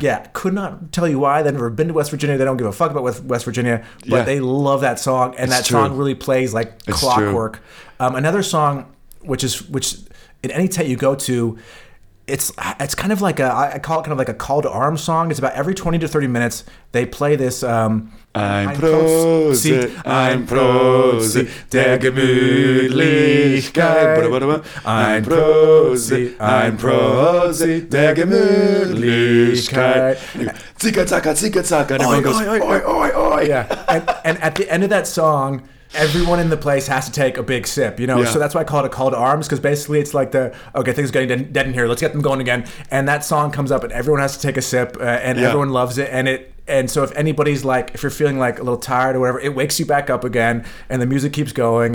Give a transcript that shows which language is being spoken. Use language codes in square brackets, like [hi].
[en] Yeah, could not tell you why. They've never been to West Virginia. They don't give a fuck about West Virginia, but they love that song, and it's that true. Song really plays like it's clockwork. Another song, which in any tent you go to, It's kind of like a call to arms song. It's about every 20 to 30 minutes they play this. [de] Ein Prosit, ein Prosit, der Gemütlichkeit. Ein Prosit, ein Prosit, der Gemütlichkeit. Zicka, zacka, zicka, zacka. [en] And everyone goes, oi, oi, oi, oi. Yeah. And at the end of that song, everyone in the place has to take a big sip, you know? Yeah. So that's why I call it a call to arms, because basically it's like the, okay, things are getting dead in here. Let's get them going again. And that song comes up and everyone has to take a sip everyone loves it. And so if anybody's like, if you're feeling like a little tired or whatever, it wakes you back up again and the music keeps going.